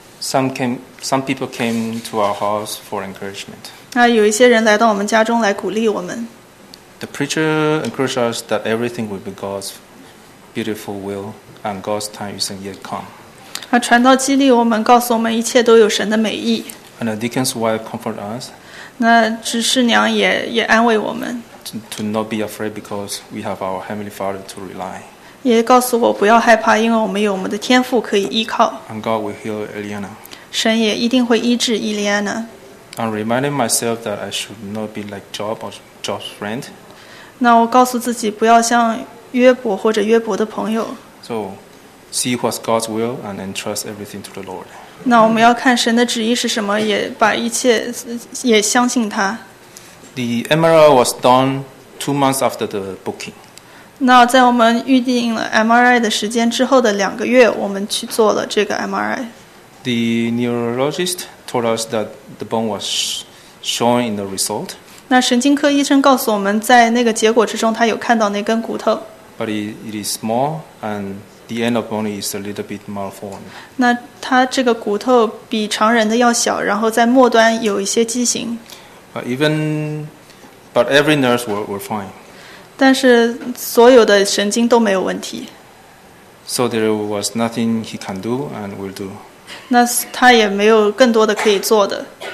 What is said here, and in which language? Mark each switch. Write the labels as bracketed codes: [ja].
[en] Some people came to our house for encouragement. [zh] 那有一些人来到我们家中来鼓励我们。 [en] The preacher encouraged us that everything will be God's beautiful will and God's time isn't yet come. [zh] 他传道激励我们，告诉我们一切都有神的美意。 [en] And the deacon's wife comfort us. [zh] 那执事娘也安慰我们。 [en] To not be afraid because we have our heavenly Father to rely. [zh] 也告诉我不要害怕，因为我们有我们的天父可以依靠。 [en] And God will heal Eliana. [zh] 神也一定会医治 Eliana. [en] I'm reminding myself that I should not be like Job or Job's friend. [zh] 那我告诉自己不要像约伯或者约伯的朋友。 [en] So. See what's God's will and entrust everything to the Lord. [zh] 那我们要看神的旨意是什么，也把一切也相信他。 [en] The MRI was done 2 months after the booking. [zh] 那在我们预定了 MRI 的时间之后的两个月，我们去做了这个 MRI. [en] The neurologist told us that the bone was showing in the result. [zh] 那神经科医生告诉我们，在那个结果之中，他有看到那根骨头。 [en] But it is small and. The end of bone is a little bit malformed. [zh] 那它这个骨头比常人的要小，然后在末端有一些畸形。 [en] But every nerve were fine. [zh] 但是所有的神经都没有问题。 [en] So there was nothing he can do and will do. [zh] 那他也没有更多的可以做的。